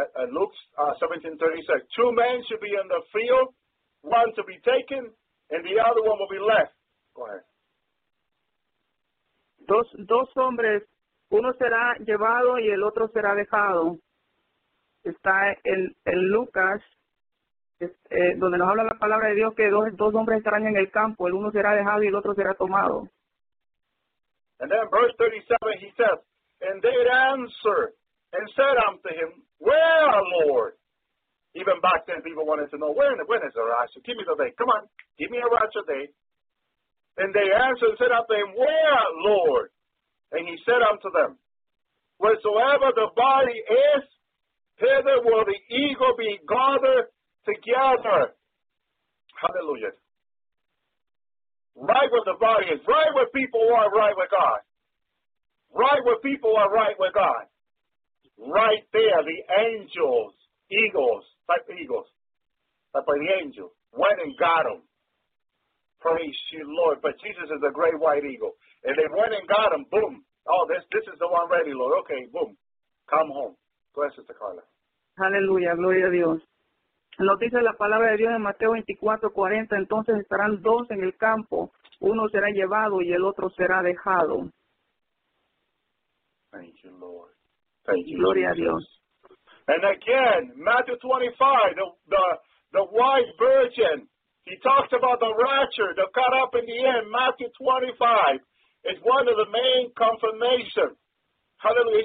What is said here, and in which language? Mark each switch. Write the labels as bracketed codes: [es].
[en] Luke 17:36, two men should be in the field, one to be taken, and the other one will be left. Go ahead. [es] Dos hombres, uno será llevado y el otro será dejado. Está en Lucas, donde nos habla la palabra de Dios, que dos hombres estarán en el campo, el uno será dejado y el otro será tomado. [en] And then verse 37, he says, and they answered and said unto him, where, Lord? Even back then, people wanted to know, when is the rapture? Give me the date. Come on, give me a rapture date. And they answered and said unto him, where, Lord? And he said unto them, wheresoever the body is, hither will the eagle be gathered together. Hallelujah. Right where the body is, right where people are, right with God. Right where people are, right with God. Right there, the angels, eagles, type of the angel, went and got them. Praise you, Lord. But Jesus is a great white eagle. And they went and got him. Boom. Oh, this is the one ready, Lord. Okay, boom. Come home. Bless Sister Carla. [es] Aleluya, gloria a Dios. Nos dice la palabra de Dios en Mateo 24:40. Entonces estarán dos en el campo. Uno será llevado y el otro será dejado. [en] Thank you, Lord. Thank you, [es] gloria a Dios. [en] And again, Matthew 25, the wise virgin, he talks about the rapture, the cut up in the end. Matthew 25 is one of the main confirmation. Hallelujah.